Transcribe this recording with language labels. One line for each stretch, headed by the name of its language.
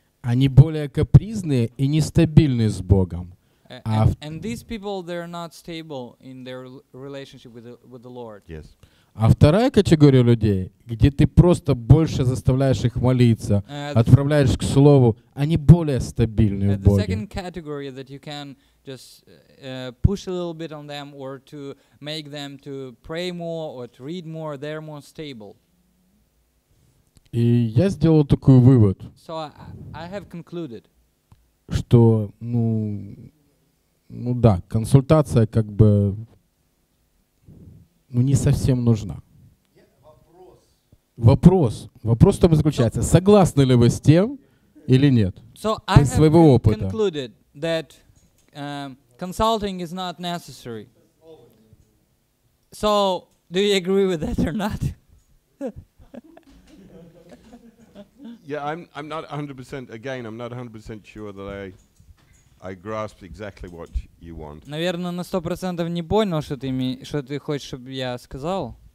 Russian: Они более капризные и нестабильны с Богом.
English: And these people, they're not stable in their relationship with the Lord. Yes.
Russian: А вторая категория людей, где ты просто больше заставляешь их молиться, отправляешь к Слову, они более стабильны в Боге.
English: The second category that you can just push a little bit on them or to make them to pray more or to read more, they're more stable.
Russian: И я сделал такой вывод,
English: so I have concluded,
Russian: что, ну да, консультация как бы не совсем нужна. Вопрос там заключается, согласны ли вы с тем или нет, из своего опыта.
English: Concluded that consulting is not necessary. So, do you agree with that or not? Yeah, I'm not 100%, again, I'm not 100% sure that I grasp exactly what you want.
Russian: Наверное, на 100% не понял, что ты хочешь, чтобы я сказал.